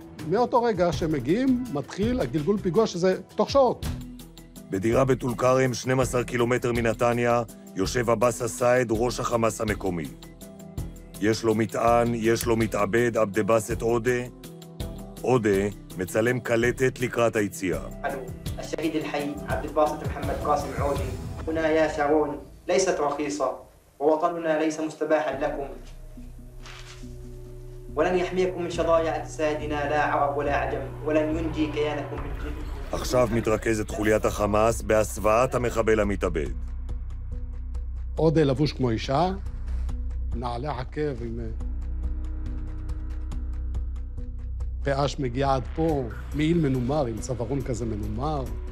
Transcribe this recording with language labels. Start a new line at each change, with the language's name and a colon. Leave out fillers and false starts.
Hebrew: מאותו רגע שמגיעים, מתחיל הגלגול פיגוע שזה תוך שעות. בדירה בטול כרם, 12 קילומטר מנתניה, יושב עבאס סייד, ראש החמאס המקומי. יש לו מטען, יש לו מתאבד, עבד באסט עודה. עודה מצלם קלטת לקראת היציאה.
Arabic: השהיד الحي عبد الباسط محمد قاسم عودي هنا يا شعون ليست رخيصة ووطننا ليس مستباحا لكم ولن يحميكم من شظايا اجسادنا لا عرب ولا عجم ولن ينجي كيانكم من جديد.
Hebrew: עכשיו מתרכזת חוליית החמאס בהסוואת המחבל המתאבד. עודה לבוש כמו אישה, נעלה עקב עם פאש מגיע עד פה, מעיל מנומר, עם צווארון כזה מנומר.